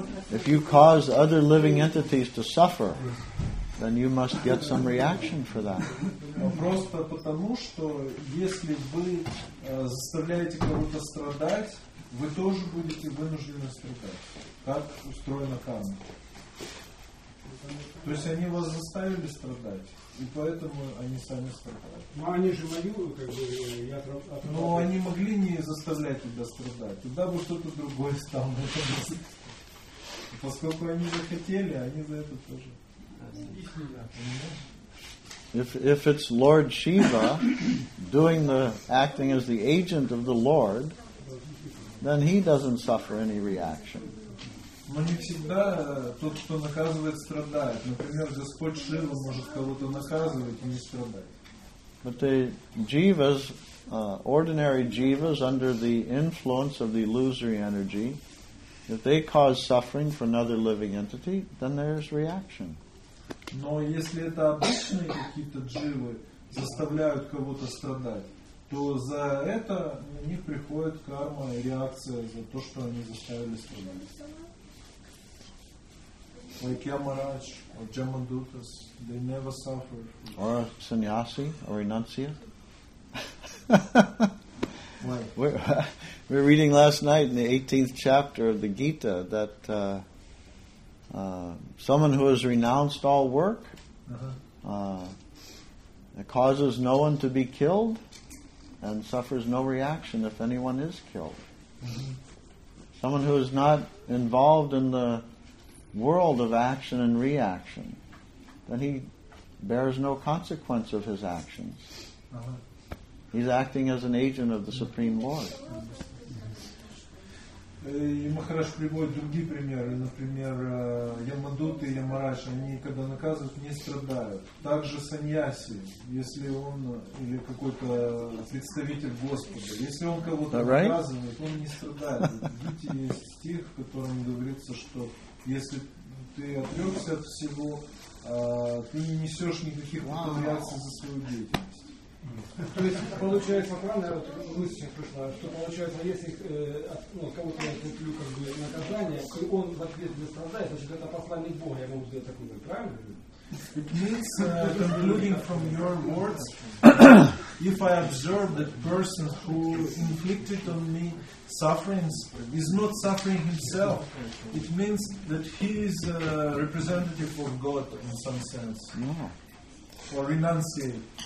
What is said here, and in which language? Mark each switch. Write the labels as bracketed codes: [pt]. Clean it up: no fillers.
[en] If you cause other living entities to suffer, then you must get some reaction for that. [ru] Просто потому, что если вы заставляете кого-то страдать, вы тоже будете вынуждены страдать. Так устроена карма. То есть они вас заставили страдать, и поэтому они сами страдают. Но они же мою, как бы, я отработал. Но они могли не заставлять тебя страдать. Тогда бы что-то другое стало. Поскольку они захотели, они за это тоже. [en] If it's Lord Shiva doing the acting as the agent of the Lord, then he doesn't suffer any reaction. [ru] Но не всегда тот, кто наказывает, страдает. Например, Господь Шива может кого-то наказывать и не страдать. [en] But the jivas, ordinary jivas under the influence of the illusory energy, if they cause suffering for another living entity, then there's reaction. [ru] Но если это обычные какие-то дживы заставляют кого-то страдать, то за это на них приходит карма, реакция за то, что они заставили страдать. [en] Like Yamaraj or Jamadutas, they never suffer. Or a sannyasi, or renunciate. Why? We were reading last night in the 18th chapter of the Gita that someone who has renounced all work, causes no one to be killed and suffers no reaction if anyone is killed. Mm-hmm. Someone who is not involved in the world of action and reaction, then he bears no consequence of his actions. He's acting as an agent of the Supreme Lord. [ru] И Махарадж приводит другие примеры. Например, Ямадуты и Ямарадж, они когда наказывают, не страдают. Также саньяси, если он или какой-то представитель Господа, если он кого-то наказывает, он не страдает. В Гите есть стих, в котором говорится, что если ты отрекся от всего, ты не несешь никаких реакций за свою деятельность. То есть получается, правда, вот мысль пришла, что получается, если кого-то я куплю как бы наказание, и он в ответ не страдает, значит это послание Бога, я могу сделать такой, правильно? [en] It means, concluding from your words, if I observe that person who inflicted on me sufferings is not suffering himself, it means that he is a representative of God in some sense, or renunciate.